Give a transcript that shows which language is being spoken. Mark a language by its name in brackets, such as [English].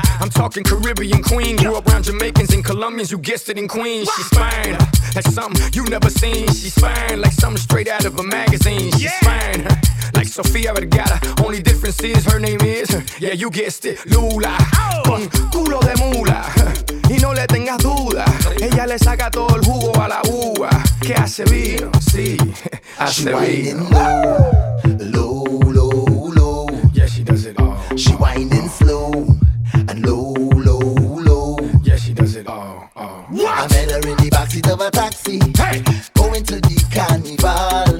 [English] I'm talking Caribbean queen. Grew up around Jamaicans and Colombians. You guessed it in Queens. She's fine. That's something you never seen. She's fine. Like something straight out of a magazine. She's fine. Like Sofia Vergara. Only difference is her name is, yeah, you guessed it, Lula. [Spanish] Con culo de mula. Y no le tengas duda. Ella le saca todo el jugo a la uva. Que hace vino. Sí. [English] She whining low, low, low, low. Yeah, she does it all. She whining slow and low, low, low. Yeah, she does it all. I met her in the backseat of a taxi. Hey. Going to the carnival.